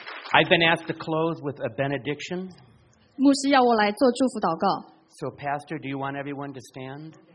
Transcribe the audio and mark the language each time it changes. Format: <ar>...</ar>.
<en>I've been asked to close with a benediction.</en> <zh>牧师要我来做祝福祷告。</zh> <en>So, Pastor, do you want everyone to stand?</en>